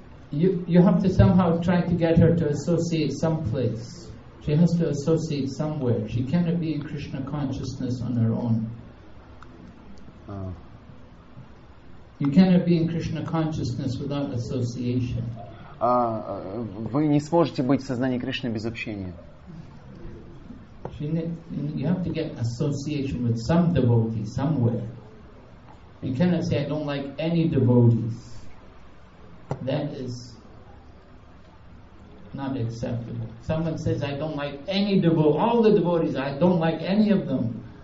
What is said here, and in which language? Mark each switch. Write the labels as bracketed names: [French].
[English] You have to somehow try to get her to associate some place. She has to associate somewhere. She cannot be in Krishna consciousness on her own. You cannot be in Krishna consciousness without association. [Russian] Вы не сможете быть в сознании Кришны без общения. [English] You have to get association with some devotee somewhere. You cannot say I don't like any devotees. That is not acceptable. Someone says I don't like any devotee, all the devotees, I don't like any of them.